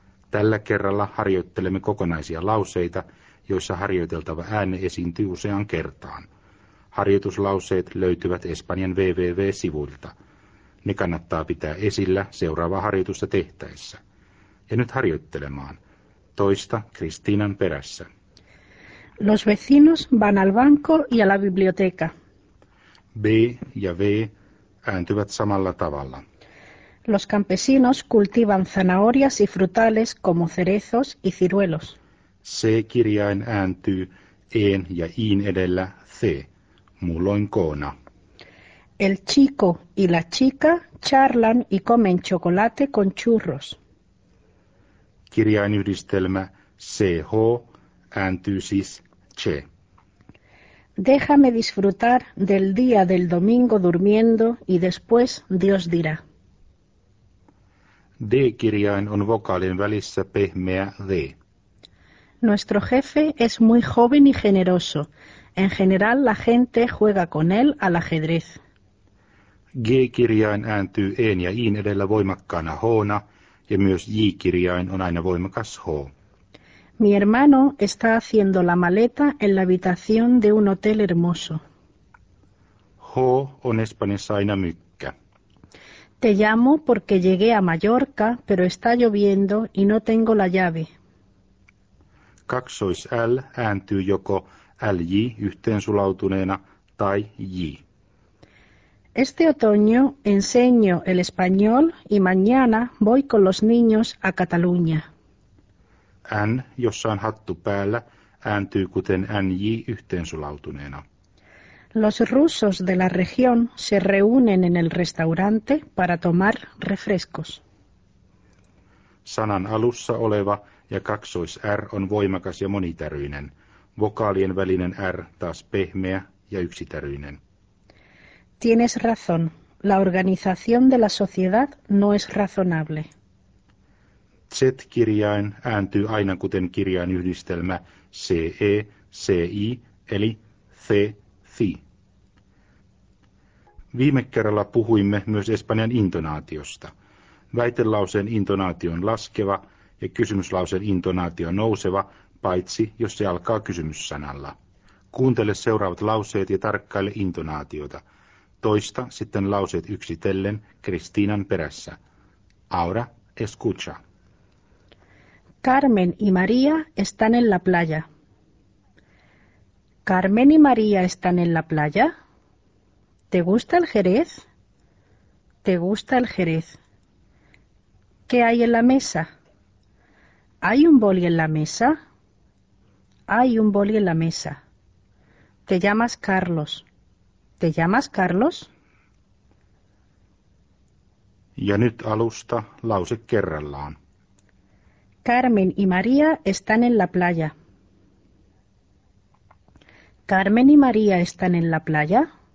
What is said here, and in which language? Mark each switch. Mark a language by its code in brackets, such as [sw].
[fi] Tällä kerralla harjoittelemme kokonaisia lauseita, joissa harjoiteltava ääne esiintyy useaan kertaan. Harjoituslauseet löytyvät Espanjan www-sivuilta. Ne kannattaa pitää esillä seuraavaa harjoitusta tehtäessä. Ja nyt harjoittelemaan. Toista Kristiinan perässä. [es] Los vecinos van al banco y a la biblioteca. [fi] B ja V ääntyvät samalla tavalla. [es] Los campesinos cultivan zanahorias y frutales como cerezos y ciruelos. [fi] C-kirjain ääntyy E:n ja I:n edellä C, muulloin koona. [es] El chico y la chica charlan y comen chocolate con churros. [fi] Kirjainyhdistelmä CH ääntyy siis C. [es] Déjame disfrutar del día del domingo durmiendo y después Dios dirá. [fi] D-kirjain on vokaalin välissä pehmeä D. [es] Nuestro jefe es muy joven y generoso. En general la gente juega con él al ajedrez. [fi] G-kirjain ääntyy E:n ja I:n edellä voimakkaana H:na ja myös J-kirjain on aina voimakas H. [es] Mi hermano está haciendo la maleta en la habitación de un hotel hermoso. [fi] H on Espanjassa aina mykkä. [es] Te llamo porque llegué a Mallorca, pero está lloviendo y no tengo la llave. [fi] Kaksois L ääntyy joko LJ yhteensulautuneena tai J. [es] Este otoño enseño el español y mañana voy con los niños a Cataluña. [fi] N, jossa on hattu päällä, ääntyy kuten NJ yhteensulautuneena. [es] Los rusos de la región se reúnen en el restaurante para tomar refrescos. [fi] Sanan alussa oleva ja kaksois R on voimakas ja monitäryinen. Vokaalien välinen R taas pehmeä ja yksitäryinen. [es] Tienes razón. La organización de la sociedad no es razonable. [fi] Z-kirjain ääntyy aina kuten kirjainyhdistelmä CE, CI eli C, FI. Viime kerralla puhuimme myös espanjan intonaatiosta. Väitelauseen intonaatio on laskeva ja kysymyslauseen intonaatio nouseva, paitsi jos se alkaa kysymyssanalla. Kuuntele seuraavat lauseet ja tarkkaile intonaatiota. Toista sitten lauseet yksitellen Kristiinan perässä. [es] Ahora escucha. Carmen y María están en la playa. Carmen y María están en la playa. ¿Te gusta el Jerez? ¿Te gusta el Jerez? ¿Qué hay en la mesa? ¿Hay un boli en la mesa? Hay un boli en la mesa. ¿Te llamas Carlos? ¿Te llamas Carlos? [fi] Ja nyt alusta lause kerrallaan. [es] Carmen y María están en la playa. Carmen y María están en la playa.